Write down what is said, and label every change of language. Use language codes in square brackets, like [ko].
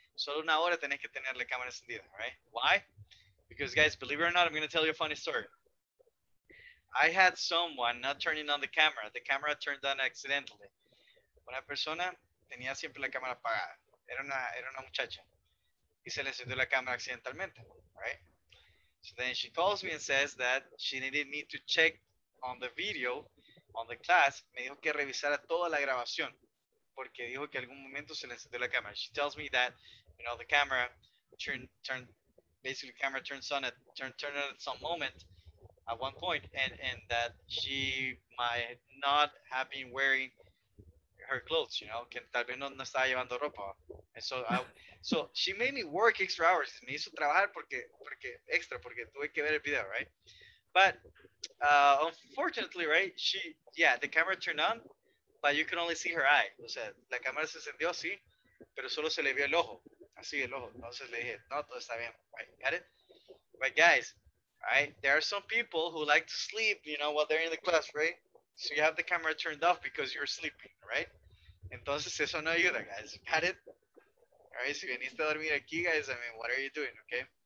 [es] Solo una hora tenés que tener la cámara encendida, [en] right? Why? Because, guys, believe it or not, I'm going to tell you a funny story. I had someone not turning on the camera. The camera turned on accidentally. [es] Una persona tenía siempre la cámara apagada. Era una muchacha. Y se le encendió la cámara accidentalmente, [en] right? So then she calls me and says that she needed me to check on the video, on the class. [es] Me dijo que revisara toda la grabación porque dijo que algún momento se le encendió la cámara. [en] She tells me that, you know, the camera turned on at some moment, at one point, and that she might not have been wearing her clothes, you know, [es] que tal vez no estaba llevando ropa. [en] And so she made me work extra hours. [es] Me hizo trabajar porque tuve que ver el video, [en] right? But unfortunately, right, the camera turned on, but you can only see her eye. [es] O sea, la cámara se encendió, sí, pero solo se le vio el ojo. Así, el ojo. Entonces le dije, no, todo está bien. [en] Right, got it? But guys, right, there are some people who like to sleep, you know, while they're in the class, right? So you have the camera turned off because you're sleeping, right? [es] Entonces eso no ayuda, [en] guys. Got it? All right, [es] si veniste a dormir aquí, [en] guys, I mean, what are you doing, okay?